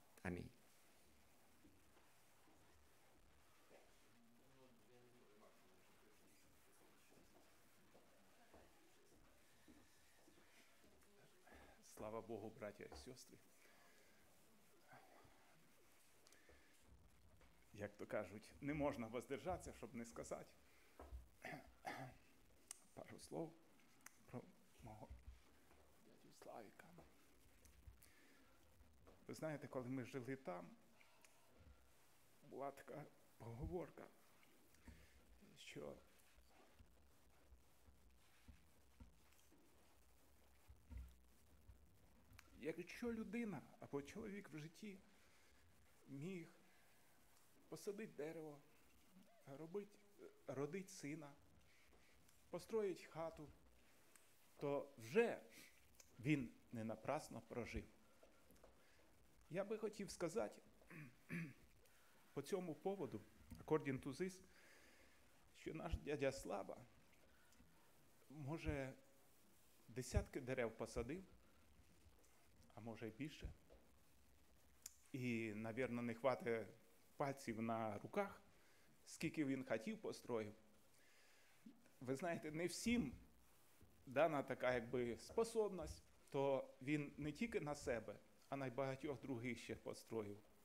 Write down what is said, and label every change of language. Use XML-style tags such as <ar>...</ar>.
<ru>Аминь. Слава Богу, братья и сестры.</ru> <uk>Як то кажуть, не можна воздержатися, щоб не сказати пару слов про мого дядю Славіка. Ви знаєте, коли ми жили там, була така поговорка, що якщо людина або чоловік в житті міг посадити дерево, родить сина, построїть хату, то вже він не напрасно прожив. Я би хотів сказати по цьому поводу,</uk> <en>according to this,</en> <uk>що наш дядя Слава може десятки дерев посадив, а може й більше. І, навірно, не хватить пальців на руках, скільки він хотів построїв. Ви знаєте, не всім дана така якби способність, то він не тільки на себе, а найбагатьох других ще построїв.</uk>